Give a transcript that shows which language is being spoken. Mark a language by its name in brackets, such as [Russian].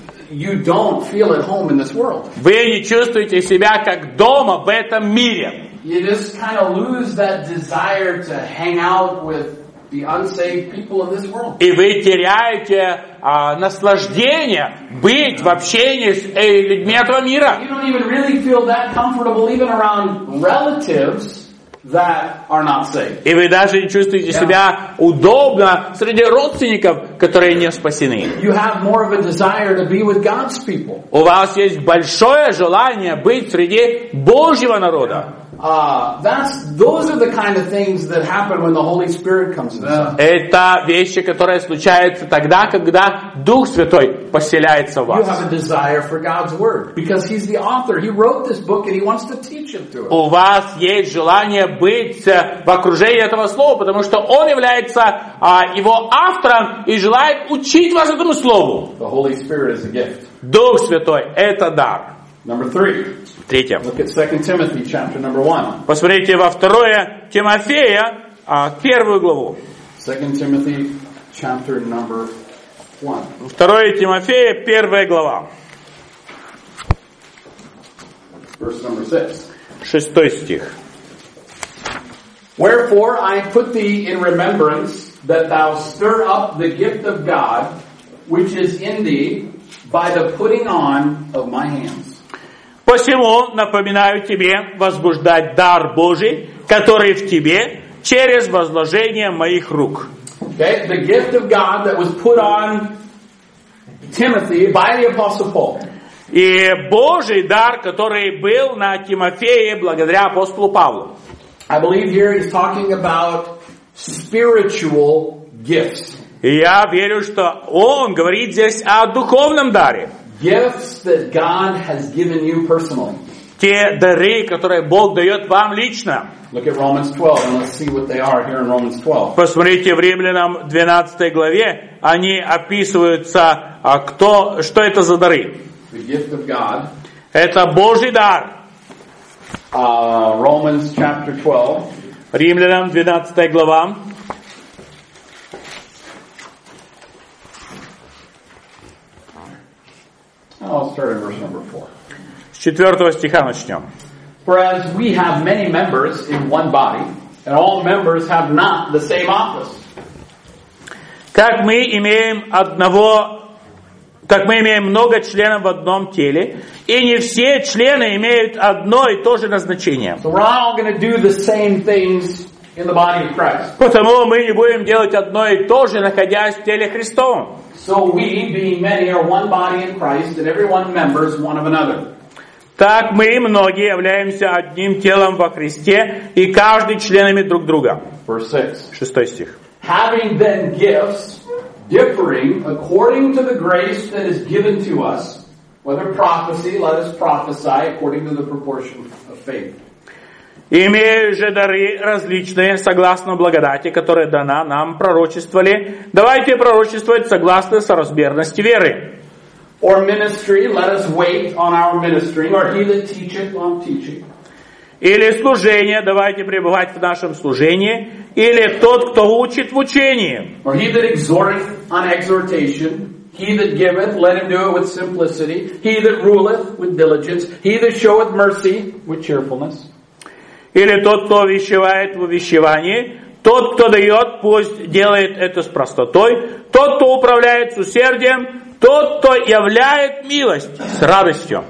[English] You don't feel at home in this world. [Russian] Вы не чувствуете себя как дома в этом мире. [English] You just kind of lose that desire to hang out with the unsaved people of this world. [Russian] И вы теряете наслаждение быть в общении с людьми этого мира. [English] You don't even really feel that comfortable even around relatives that are not saved. [Russian] И вы даже не чувствуете себя удобно среди родственников, которые не спасены. [English] You have more of a desire to be with God's people. [Russian] У вас есть большое желание быть среди Божьего народа. [English] Those are the kind of things that happen when the Holy Spirit comes in. [Russian] Это вещи, которые случаются тогда, когда Дух Святой поселяется в вас. [English] You have a desire for God's word because He's the author. He wrote this book and He wants to teach it to us. [Russian] У вас есть желание быть в окружении этого слова, потому что Он является его автором и желает учить вас этому слову. [English] The Holy Spirit is a gift. [Russian] Дух Святой — это дар. [English] Number three. [Russian] Третье. [English] Look at 2 Timothy chapter number 1. [Russian] Посмотрите во 2 Тимофея, первую главу. [English] 2 Timothy chapter number 1. [Russian] 2 Тимофея, первая глава. [English] Verse number 6. [Russian] Шестой стих. [English] Wherefore I put thee in remembrance that thou stir up the gift of God which is in thee by the putting on of my hands. [Russian] Посему напоминаю тебе возбуждать дар Божий, который в тебе, через возложение моих рук. [English] Okay, the gift of God that was put on Timothy by the Apostle Paul. [Russian] И Божий дар, который был на Тимофее благодаря апостолу Павлу. [English] I believe here he's talking about spiritual gifts. [Russian] И я верю, что он говорит здесь о духовном даре. [English] Gifts that God has given you personally. [Russian] Те дары, которые Бог дает вам лично. [English] Look at Romans 12 and let's see what they are here in Romans 12. [Russian] Посмотрите в Римлянам 12 главе, они описываются, кто, что это за дары. [English] The gift of God. [Russian] Это Божий дар. [English] Romans chapter 12. [Russian] Римлянам 12 глава. [English] I'll start in verse number 4. [Russian] С 4 стиха начнем. [English] For as we have many members in one body, and all members have not the same office. [Russian] Как мы имеем много членов в одном теле, и не все члены имеют одно и то же назначение. [English] So we're not all going to do the same things in the body of Christ. [Russian] Потому мы не будем делать одно и то же, находясь в теле Христовом. [English] So we, being many, are one body in Christ, and everyone members one of another. [Russian] Так мы, многие, являемся одним телом во Христе, и каждый членами друг друга. [English] Verse 6. [Russian] Шестой стих. [English] Having then gifts differing according to the grace that is given to us, whether prophecy, let us prophesy according to the proportion of faith. [Russian] Имея же дары различные, согласно благодати, которая дана нам, пророчествовали, давайте пророчествовать согласно соразмерности веры. [English] Or ministry, let us wait on our ministry, or he that teacheth on teaching. [Russian] Или служение, давайте пребывать в нашем служении, или тот, кто учит в учении. [English] Or he that exhorteth on exhortation, he that giveth, let him do it with simplicity, he that ruleth with diligence, he that showeth mercy with cheerfulness. [Russian] Или тот, кто увещевает в увещевании, тот, кто дает, пусть делает это с простотой, тот, кто управляет с усердием, тот, кто являет милость с радостью.